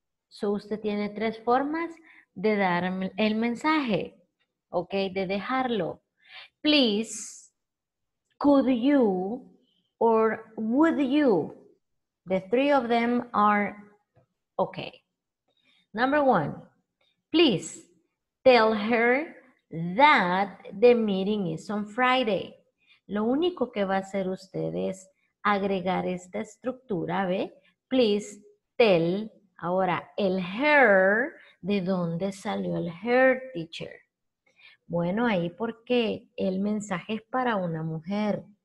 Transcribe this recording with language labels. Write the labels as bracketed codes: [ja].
[es] So, usted tiene tres formas de dar el mensaje, okay, de dejarlo. [en] Please, could you, or would you, the three of them are okay. Number one, please tell her that the meeting is on Friday. [es] Lo único que va a hacer usted es agregar esta estructura, ¿ve? [en] Please tell, [es] ahora, el her, ¿de dónde salió el her, teacher? Bueno, ahí porque el mensaje es para una mujer.